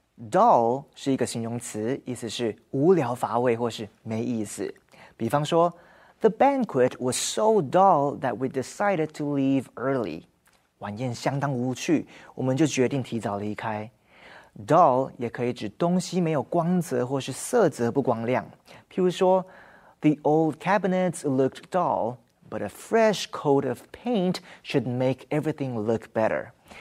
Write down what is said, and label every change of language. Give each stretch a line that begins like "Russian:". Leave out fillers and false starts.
Chinese: Dull 是一个形容词，意思是无聊乏味或是没意思。比方说
English: ,The banquet was so dull that we decided to leave early.
Chinese: 晚宴相当无趣，我们就决定提早离开。
English: Dull
Chinese: 也可以指东西没有光泽或是色泽不光亮，譬如说
English: The old cabinets looked dull, but a fresh coat of paint should make everything look better.